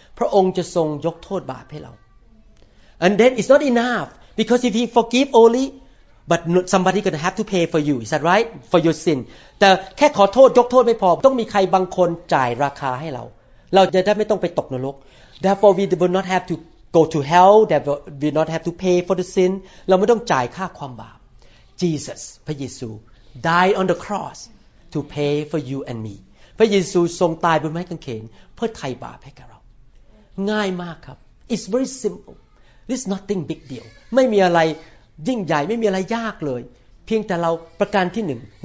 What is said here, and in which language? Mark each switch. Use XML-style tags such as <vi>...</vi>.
<th>พระองค์จะทรงยกโทษบาปให้เรา</th> <en>And then it's not enough because if he forgive only, but somebody gonna have to pay for you. Is that right? For your sin.</en> <th>แต่แค่ขอโทษยกโทษไม่พอต้องมีใครบางคนจ่ายราคาให้เราเราจะได้ไม่ต้องไปตกนรก</th> <en>Therefore we will not have to go to hell. Therefore we will not have to pay for the sin.</en> <th>เราไม่ต้องจ่ายค่าความบาป</th> <en>Jesus, พระเยซู died on the cross to pay for you and me.</en> <th>พระเยซูทรงตายบนไม้กางเขนเพื่อไถ่บาปให้กับเราง่ายมากครับ</th> <en>It's very simple This nothing big deal</en> <th>ไม่มีอะไรยิ่งใหญ่ไม่มีอะไรยากเลยเพียงแต่เราประการที่หนึ่ง</th>